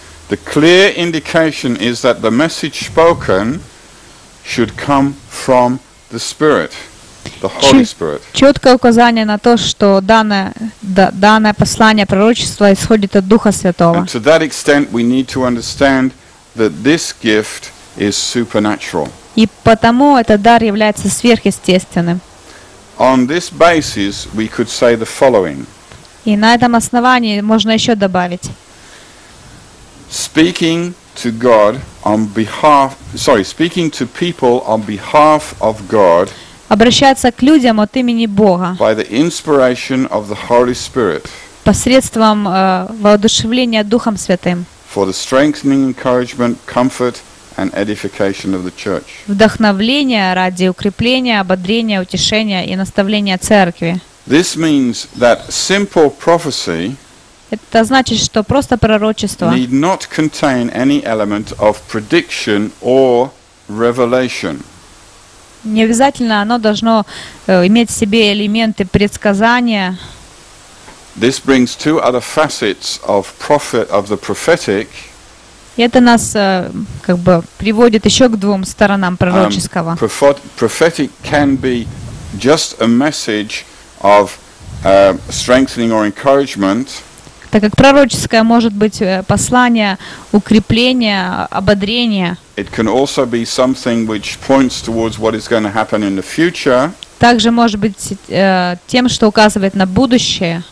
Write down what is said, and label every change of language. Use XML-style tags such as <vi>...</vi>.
<en>The clear indication is that the message spoken should come from the Spirit, the Holy Spirit.</en> <ru>Четкое указание на то, что данное послание, пророчество исходит от Духа Святого.</ru> <en>And to that extent we need to understand that this gift is supernatural.</en> <ru>И потому этот дар является сверхъестественным.</ru> <en>On this basis, we could say the following.</en> <ru>И на этом основании можно еще добавить.</ru> <en>Speaking to God on behalf, speaking to people on behalf of God.</en> <ru>Обращаться к людям от имени Бога.</ru> <en>By the inspiration of the Holy Spirit.</en> <ru>Посредством воодушевления Духом Святым.</ru> <en>For the strengthening, encouragement, comfort. And edification of the church.</en> <ru>Вдохновление ради укрепления, ободрения, утешения и наставления церкви.</ru> <en>This means that simple prophecy.</en> <ru>Это значит, что просто пророчество.</ru> <en>Need not contain any element of prediction or revelation.</en> <ru>Не обязательно оно должно иметь в себе элементы предсказания.</ru> <en>This brings two other facets of prophet of the prophetic.</en> <ru>И это нас как бы приводит еще к двум сторонам пророческого.</ru> <en>Prophetic can be just a message of strengthening or encouragement.</en> <ru>Так как пророческое может быть послание укрепления, ободрения.</ru> <en>It can also be something which points towards what is going to happen in the future.</en> <ru>Также может быть тем, что указывает на будущее.</ru>